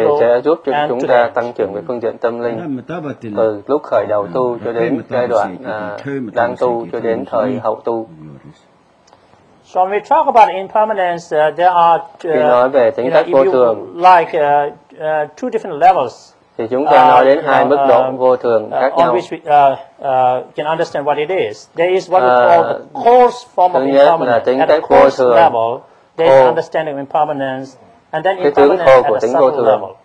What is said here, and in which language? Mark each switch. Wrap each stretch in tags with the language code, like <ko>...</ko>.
<vi>sẽ giúp cho chúng ta tăng trưởng về phương diện tâm linh từ lúc khởi đầu tu cho đến giai đoạn đang tu cho đến thời hậu tu.</vi> <en>So when we talk about impermanence, there are two different levels.</en> <vi>Thì chúng ta nói đến hai mức độ vô thường khác nhau.</vi> <en>On which we can understand what it is. There is what we call the coarse form of impermanence. At a coarse level, there is understanding of impermanence, and then impermanence at a subtle level.</en>